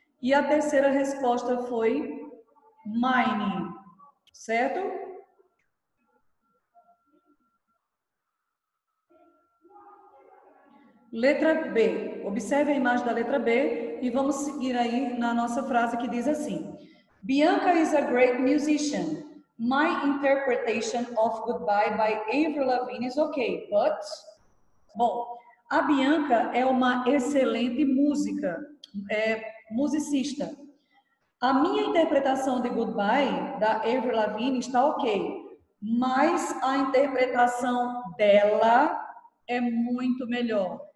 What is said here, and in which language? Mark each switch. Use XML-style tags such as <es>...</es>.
<pt>E a terceira resposta foi mine, certo? Letra B. Observe a imagem da letra B e vamos seguir aí na nossa frase que diz assim:</pt> <en>Bianca is a great musician. My interpretation of goodbye by Avril Lavigne is okay, but...</en> <pt>Bom, a Bianca é uma excelente música, musicista. A minha interpretação de goodbye da Avril Lavigne está ok, mas a interpretação dela é muito melhor.</pt>